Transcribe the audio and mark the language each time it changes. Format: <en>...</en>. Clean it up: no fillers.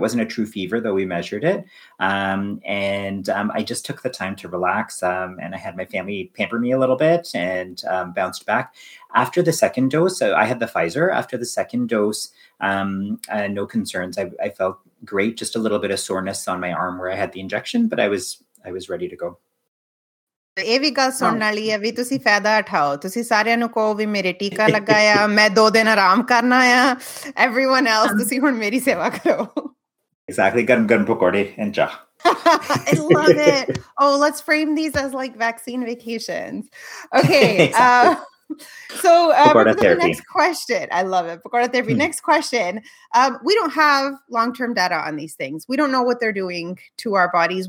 <en>It wasn't a true fever, though we measured it. I just took the time to relax. And I had my family pamper me a little bit and bounced back. After the second dose, I had the Pfizer. After the second dose, no concerns. I felt great. Just a little bit of soreness on my arm where I had the injection, but I was ready to go.</en> <pa>ਇਹ ਵੀ ਗੱਲ ਸੁਣਨ ਵਾਲੀ ਹੈ ਵੀ ਤੁਸੀਂ ਫਾਇਦਾ ਉਠਾਓ ਤੁਸੀਂ ਸਾਰਿਆਂ ਨੂੰ ਕਹੋ ਵੀ ਮੇਰੇ ਟੀਕਾ ਲੱਗਾ ਆ ਮੈਂ 2 ਦਿਨ ਆਰਾਮ ਕਰਨਾ ਆ</pa> <en>everyone else</en> <pa>ਤੁਸੀਂ ਹੁਣ ਮੇਰੀ ਸੇਵਾ ਕਰੋ ਐਗਜ਼ੈਕਟਲੀ ਗਰਮ ਗਰਮ ਪਕੌੜੇ ਐਂਡ ਚਾਹ</pa> <en>I love it. Oh, let's frame these as like vaccine vacations. Okay. Therapy. Next question. I love it. Pakora therapy. Next question. We don't have long-term data on these things. We don't know what they're doing to our bodies.</en>